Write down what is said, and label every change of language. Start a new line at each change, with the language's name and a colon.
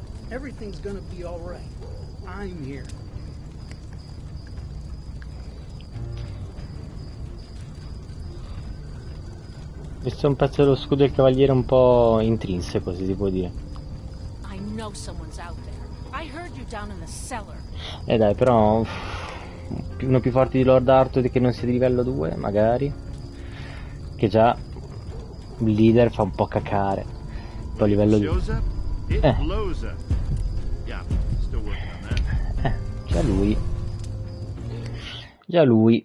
English: Everything's gonna be all right. I'm here.
Italian: Questo è un pezzo dello scudo del cavaliere un po' intrinseco, se si può dire.
English: I know someone's out there. I heard you down in the cellar.
Italian: Dai, però. uno più forte di Lord Arthur che non sia di livello 2, magari. Che già il leader fa un po' cacare. Poi livello 2. Già lui.